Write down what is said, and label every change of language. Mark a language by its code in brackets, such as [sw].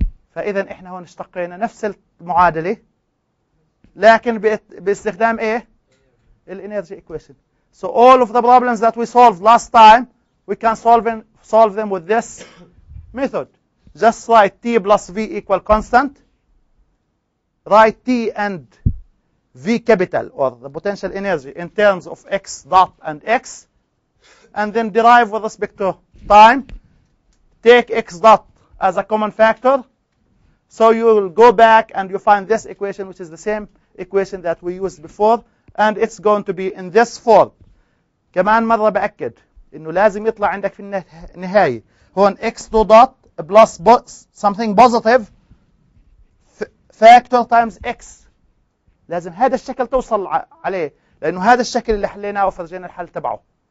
[ar] فإذا إحنا هون اشتقينا نفس المعادلة لكن باستخدام إيه؟ الانرجي إكويشن. [en] So all of the problems that we solved last time, we can solve them with this method. Just write T plus V equal constant. Write T and V capital, or the potential energy, in terms of X dot and X. And then derive with respect to time. Take X dot as a common factor. So you will go back and you find this equation, which is the same equation that we used before. And it's going to be in this form. [ar] كمان مرة بأكد إنه لازم يطلع عندك في النهاية. [en] هون x2 dot plus something positive factor times x. [ar] لازم هذا الشكل توصل عليه. لأنه هذا الشكل اللي حليناه وفرجينا الحل تبعه.